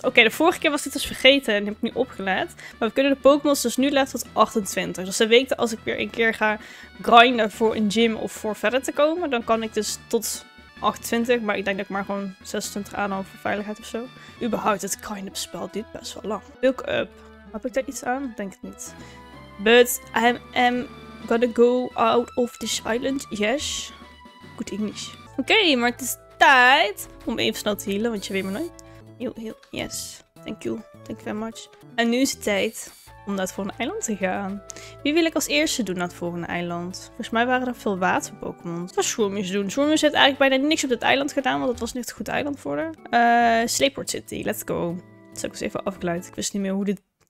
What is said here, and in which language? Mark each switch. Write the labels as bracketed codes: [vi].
[nl] Oké, de vorige keer was dit dus vergeten. En heb ik nu opgelet. Maar we kunnen de Pokémon's dus nu level tot 28. Dus dat weet als ik weer een keer ga grinden voor een gym of voor verder te komen. Dan kan ik dus tot 28. Maar ik denk dat ik maar gewoon 26 aanhoud voor veiligheid of zo. Überhaupt, het grind-up spel duurt best wel lang. Bulk up. Heb ik daar iets aan? Denk het niet. [en] But I'm gonna go out of this island. [nl] Yes. Goed Engels. Oké, maar het is tijd om even snel te healen, want je weet maar nooit. Heel, heel. [en] Yes. Thank you. Thank you very much. [nl] En nu is het tijd om naar het volgende eiland te gaan. Wie wil ik als eerste doen naar het volgende eiland? Volgens mij waren er veel water-Pokémon. Ik ga Shroomish doen. Shroomish heeft eigenlijk bijna niks op dit eiland gedaan, want het was niet een goed eiland voor haar. Sleepport City. [en] Let's go. [nl] Zal ik eens even afgeleiden. Ik wist niet meer hoe dit...